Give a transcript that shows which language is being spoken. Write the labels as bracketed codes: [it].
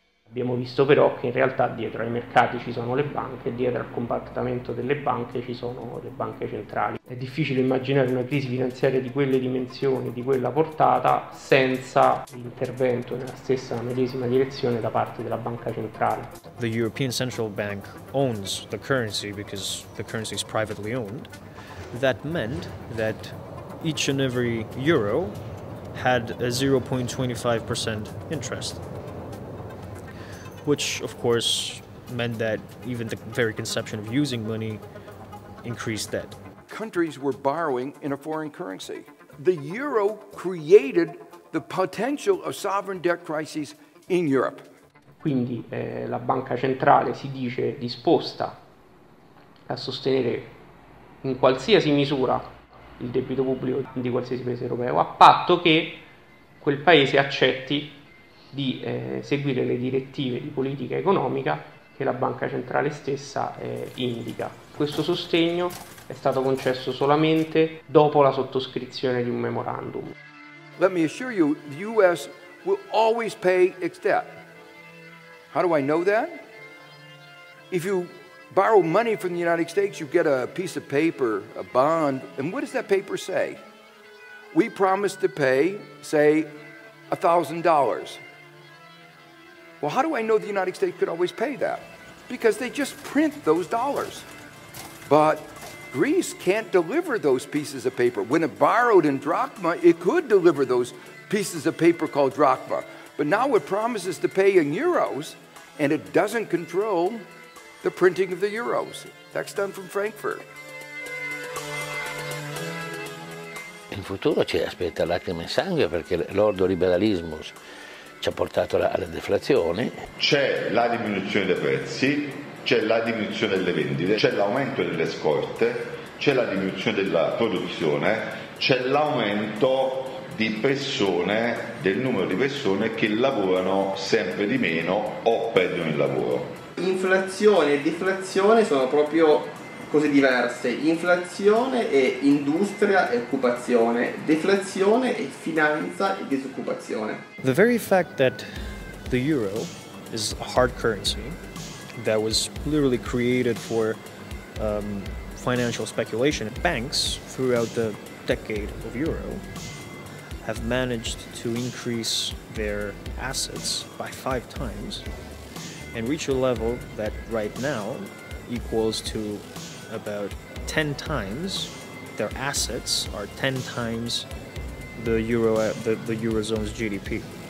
[it] Abbiamo visto però che in realtà dietro ai mercati ci sono le banche, dietro al compattamento delle banche ci sono le banche centrali. È difficile immaginare una crisi finanziaria di quelle dimensioni, di quella portata, senza l'intervento nella stessa medesima direzione da parte della banca centrale. [en] The European Central Bank owns the currency because the currency is privately owned. That meant that each and every euro had a 0.25% interest. Which of course meant that even the very conception of using money increased debt. Countries were borrowing in a foreign currency. The euro created the potential of sovereign debt crises in Europe. [it] Quindi la banca centrale si dice disposta a sostenere in qualsiasi misura il debito pubblico di qualsiasi paese europeo, a patto che quel paese accetti di seguire le direttive di politica economica che la banca centrale stessa indica. Questo sostegno è stato concesso solamente dopo la sottoscrizione di un memorandum. [en] Let me assure you, the US will always pay its debt. How do I know that? If you borrow money from the United States, you get a piece of paper, a bond, and what does that paper say? We promise to pay, say, $1,000. Well, how do I know the United States could always pay that? Because they just print those dollars. But Greece can't deliver those pieces of paper. When it borrowed in drachma, it could deliver those pieces of paper called drachma. But now it promises to pay in euros, and it doesn't control the printing of the euros. That's done from Frankfurt. [it] In futuro ci aspetta lacrime e sangue perché l'ordo liberalismo ci ha portato alla deflazione. C'è la diminuzione dei prezzi, c'è la diminuzione delle vendite, c'è l'aumento delle scorte, c'è la diminuzione della produzione, c'è l'aumento di persone, del numero di persone che lavorano sempre di meno o perdono il lavoro. Inflazione e deflazione sono proprio cose diverse. Inflazione è industria e occupazione, deflazione è finanza e disoccupazione. [en] The very fact that the euro is a hard currency that was literally created for financial speculation, banks throughout the decade of euro have managed to increase their assets by 5 times and reach a level that right now equals to about 10 times their assets are 10 times the eurozone's GDP.